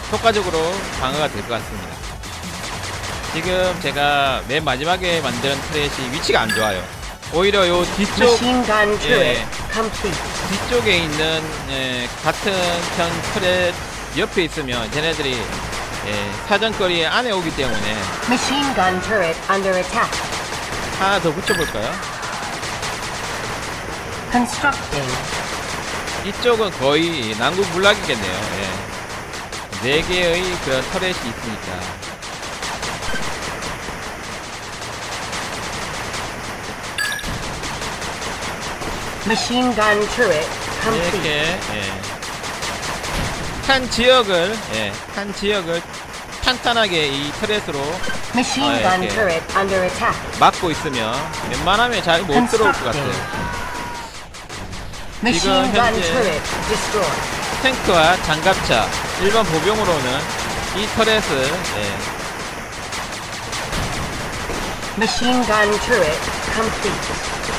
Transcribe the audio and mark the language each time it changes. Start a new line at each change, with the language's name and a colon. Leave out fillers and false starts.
Korean: 효과적으로 방어가 될 것 같습니다. 지금 제가 맨 마지막에 만든 터렛이 위치가 안 좋아요. 오히려 요 뒤쪽
English: machine gun turret
Korean: 예,
English: complete
Korean: 뒤쪽에 있는 예, 같은 편 터렛 옆에 있으면 쟤네들이 예, 사전거리 안에 오기 때문에
English: Machine gun turret under attack.
Korean: 하나 더 붙여볼까요?
English: Constructing.
Korean: 이쪽은 거의 난구불락이겠네요. 예. 네 개의 그런 터렛이 있으니까
English: Machine gun turret complete.
Korean: 이렇게 예. 한 지역을 예. 한 지역을 탄탄하게 이 터렛으로
English: machine gun turret under attack
Korean: 막고 있으면 웬만하면 잘 못 들어올 것 같아요. 지금 현재 탱크와 장갑차 일반 보병으로는 이 터렛을 예.
English: machine gun turret complete